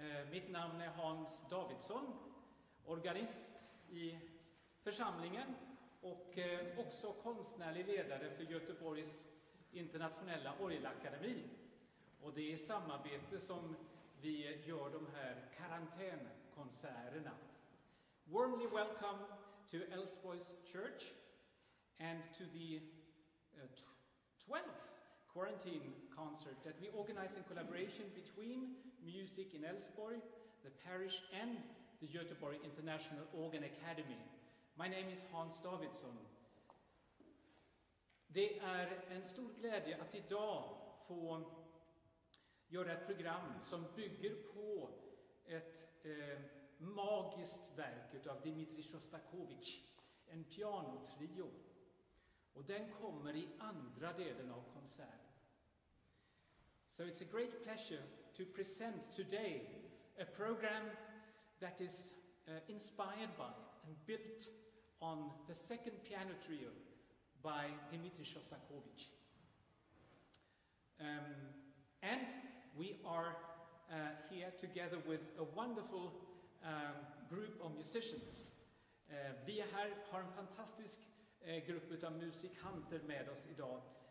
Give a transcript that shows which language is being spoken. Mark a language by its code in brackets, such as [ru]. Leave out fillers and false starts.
[sv] Mitt namn är Hans Davidsson, organist i församlingen och också konstnärlig ledare för Göteborgs internationella orgelakademi. Och det är i samarbete som vi gör de här karantänkonserterna. [en] Warmly welcome to Älvsborgs church and to the 12th quarantine concert that we organize in collaboration between Music in Älvsborg, the parish, and the Göteborg International Organ Academy. My name is Hans Davidsson. [sv] Det är en stor glädje att idag få göra ett program som bygger på ett magiskt verk av Dmitrij Sjostakovitj, en pianotrio. Och den kommer i andra delen av konserten. [en] So it's a great pleasure to present today a program that is inspired by and built on the second piano trio by Dmitrij Sjostakovitj. And we are here together with a wonderful group of musicians. [sv] Vi har en fantastisk grupp av musikanter med oss idag.